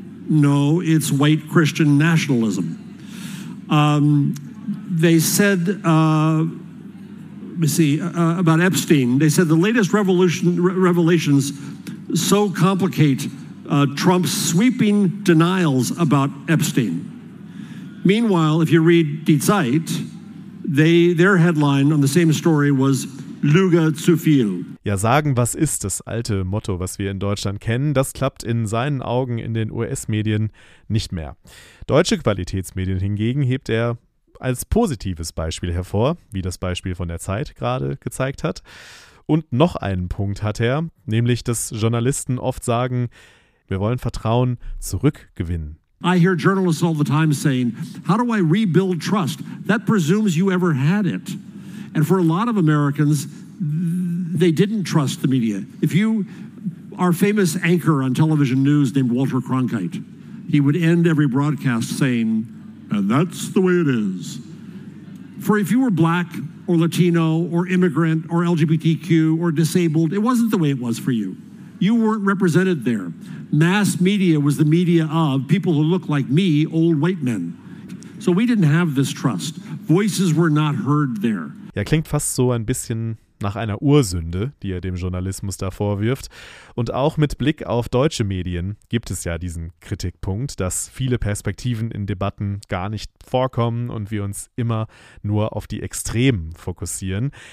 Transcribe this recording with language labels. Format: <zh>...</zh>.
<en>No, it's white Christian nationalism. They said, about Epstein, they said the latest revelations so complicate Trump's sweeping denials about Epstein. Meanwhile, if you read Die Zeit, their headline on the same story was</en> <de>Lüge zu viel. Ja, sagen, was ist, das alte Motto, was wir in Deutschland kennen, das klappt in seinen Augen in den US-Medien nicht mehr. Deutsche Qualitätsmedien hingegen hebt er als positives Beispiel hervor, wie das Beispiel von der Zeit gerade gezeigt hat. Und noch einen Punkt hat er, nämlich, dass Journalisten oft sagen, wir wollen Vertrauen zurückgewinnen.</de> <en>I hear journalists all the time saying, how do I rebuild trust? That presumes you ever had it. And for a lot of Americans, they didn't trust the media. If you, our famous anchor on television news named Walter Cronkite, he would end every broadcast saying, and that's the way it is. For if you were Black or Latino or immigrant or LGBTQ or disabled, it wasn't the way it was for you. You weren't represented there. Mass media was the media of people who look like me, old white men. So we didn't have this trust. Voices were not heard there.</en> <de>Ja, klingt fast so ein bisschen nach einer Ursünde, die er dem Journalismus da vorwirft. Und auch mit Blick auf deutsche Medien gibt es ja diesen Kritikpunkt, dass viele Perspektiven in Debatten gar nicht vorkommen und wir uns immer nur auf die Extremen fokussieren.</de>